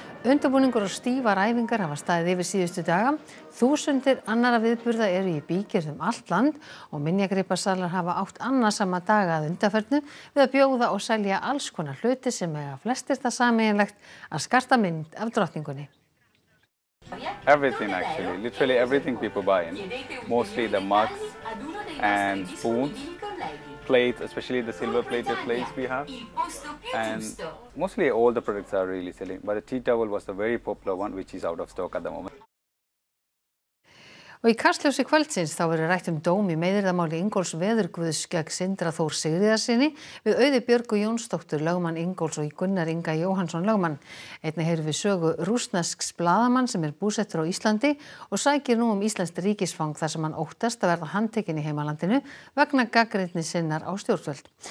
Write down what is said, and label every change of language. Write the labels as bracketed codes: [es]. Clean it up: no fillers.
[is] Undirbúningur og stífar æfingar hafa staðið yfir síðustu daga. Þúsundir annara viðburða eru í bígerð allt land og minjagripasalar hafa átt annasama daga að undaförnu við að bjóða og selja alls konar hluti sem eiga flestir það sameiginlegt að skarta mynd af drottningunni. [en] Everything actually, literally everything people buy in, mostly the mugs and spoons, plates, especially the silver plated plates we have, and mostly all the products are really selling, but the tea towel was a very popular one which is out of stock at the moment. [is] Og í Kastljósi kvöldsins þá verður rætt dóm í meiðyrðamáli Ingólfs veðurguðs gegn Sindra Þór Sigríðarsyni við Auði Björgu Jónsdóttur lögmann Ingólfs og Gunnar Inga Jóhannsson lögmann. Einnig heyrðum við sögu rússnesks blaðamann sem búsettur á Íslandi og sækir nú íslenskt ríkisfang þar sem hann óttast að verða handtekinn í heimalandinu vegna gagnrýni sinnar á stjórnvöld.